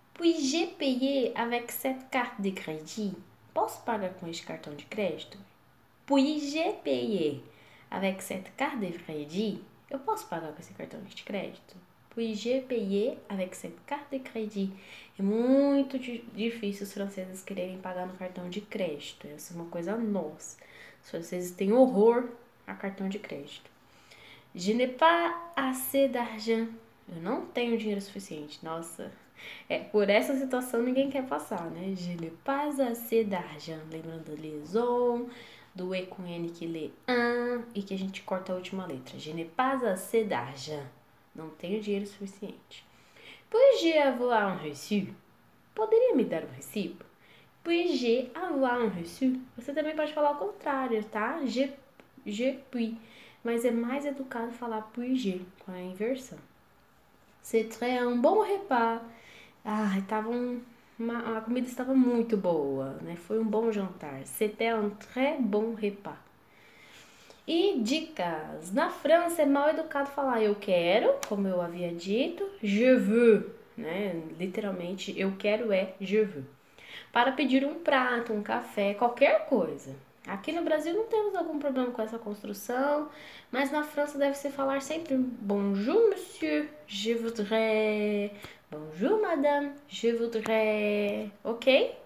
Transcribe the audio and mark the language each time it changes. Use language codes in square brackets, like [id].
[fr] Puis-je payer avec cette carte de crédit? [pt] Posso pagar com este cartão de crédito? [fr] Puis-je payer avec cette carte de crédit? [pt] Eu posso pagar com esse cartão de crédito? [fr] Puis-je payer avec cette carte de crédit? [pt] É muito difícil os franceses quererem pagar no cartão de crédito. Isso é uma coisa nossa. Os franceses têm horror a cartão de crédito. [fr] Je n'ai pas assez d'argent. [pt] Eu não tenho dinheiro suficiente. Nossa. É, por essa situação ninguém quer passar, né? [fr] Je ne passe assez d'argent, [pt] lembrando liaison, do E com N que lê an e que a gente corta a última letra. [fr] Je ne passe assez d'argent. [pt] Não tenho dinheiro suficiente. [fr] Puis-je avoir un reçu? [pt] Poderia me dar um recibo? [fr] Puis j'ai avoir um reçu? [pt] Você também pode falar o contrário, tá? Je puis. Mas é mais educado falar puis-je, com a inversão. [fr] C'est très un bon repas. [pt] Ah, a comida estava muito boa, né? Foi um bom jantar. [fr] C'était un très bon repas. [pt] E dicas. Na França é mal educado falar eu quero, como eu havia dito. [fr] Je veux, [pt] né? Literalmente, eu quero é [fr] je veux. [pt] Para pedir um prato, um café, qualquer coisa. Aqui no Brasil não temos algum problema com essa construção, mas na França deve-se falar sempre [fr] bonjour, monsieur, je voudrais, bonjour, madame, je voudrais. [pt] Ok?